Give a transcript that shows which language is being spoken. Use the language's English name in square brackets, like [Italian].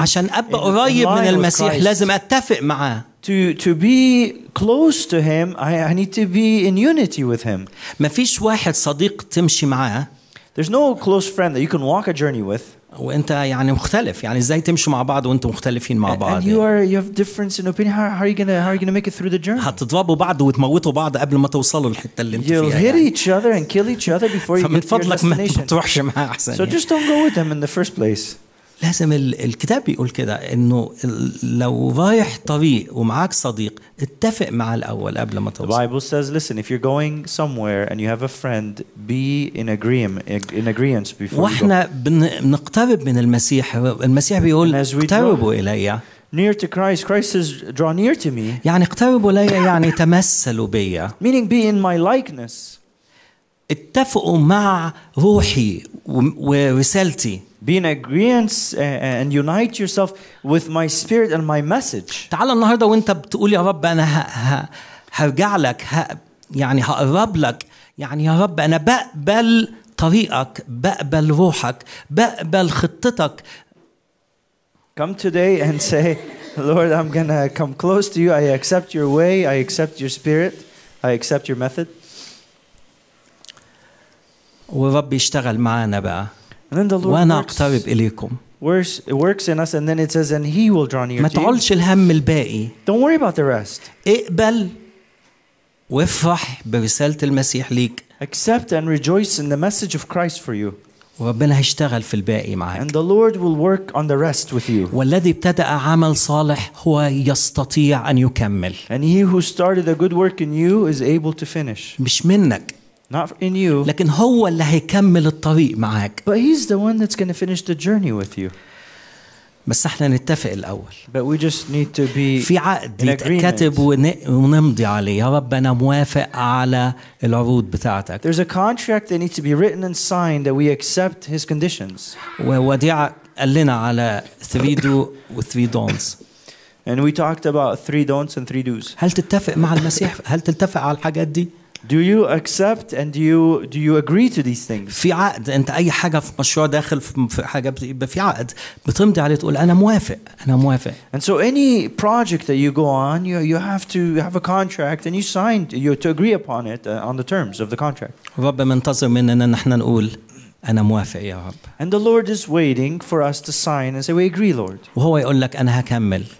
[Arabic] عشان أبقى قريب من المسيح لازم أتفق معه. [English] To be close to him, I need to be in unity with him. [Arabic] ما فيش واحد صديق تمشي معه. [English] There's no close friend that you can walk a journey with. [Arabic] وانت يعني مختلف يعني ازاي تمشوا مع بعض وانتم مختلفين مع بعض [English] and you have difference in opinion how are you gonna make it through the journey [Arabic] هتضربوا بعض وتموتوا بعض قبل ما توصلوا للحته اللي انت فيها [English] you'll hit each other and kill each other before you get to your destination [Arabic] فمن فضلك ما تروحش معاه احسن [English] so just don't go with them in the first place [Arabic] لازم الكتاب بيقول كده انه لو رايح طريق ومعاك صديق اتفق معاه الاول قبل ما توصل [English] the Bible says listen if you're going somewhere and you have a friend be in agreement before [Arabic] واحنا بنقترب من المسيح المسيح بيقول اقتربوا الي [English] near to Christ says draw near to me [Arabic] يعني اقتربوا الي يعني تمثلوا بي [English] meaning be in my likeness [Arabic] اتفقوا مع روحي ورسالتي [English] Be in agreement and unite yourself with my spirit and my message. [Arabic] تعال النهاردة وانت بتقول يا رب أنا هرجع لك يعني هقرب لك يعني يا رب أنا بقبل طريقك بقبل روحك بقبل خطتك. [English] Come today and say, Lord, I'm gonna come close to you. I accept your way. I accept your spirit. I accept your method. [Arabic] ورب يشتغل معنا بقى. [English] And then the Lord [Arabic] وأنا أقترب إليكم. [English] It works in us, and then it says, "And He will draw near." [Arabic] ما تعلش الهم الباقي. [English] Don't worry about the rest. [Arabic] اقبل وافرح برسالة المسيح ليك. [English] Accept and rejoice in the message of Christ for you. [Arabic] وربنا هيشتغل في الباقي معك. [English] And the Lord will work on the rest with you. [Arabic] والذي ابتدأ عمل صالح هو يستطيع أن يكمل. [English] And he who started a good work in you is able to finish. [Arabic] مش منك. [English] Not in you. [Arabic] لكن هو اللي هيكمل الطريق معاك. [English] But he's the one that's going to finish the journey with you. [Arabic] بس احنا نتفق الأول. [English] But we just need to be [Arabic] في عقد يتكتب ونمضي عليه. يا رب أنا موافق على العروض بتاعتك. [English] There's a contract that needs to be written and signed that we accept his conditions. [Arabic] ووديع قال لنا على [English] three do with three don'ts. And we talked about three don'ts and three do's. [Arabic] هل تتفق مع المسيح؟ هل تتفق على الحاجات دي؟ [English] Do you accept and do you agree to these things? [Arabic] في عقد انت اي حاجه في مشروع داخل في حاجه بيبقى في عقد بتمضي عليه تقول انا موافق. [English] And so any project that you go on you have to have a contract and you sign you to agree upon it on the terms of the contract. [Arabic] رب منتظر مننا ان احنا نقول انا موافق يا رب. [English] And the Lord is waiting for us to sign and say we agree Lord. [Arabic] وهو يقول لك انا هكمل.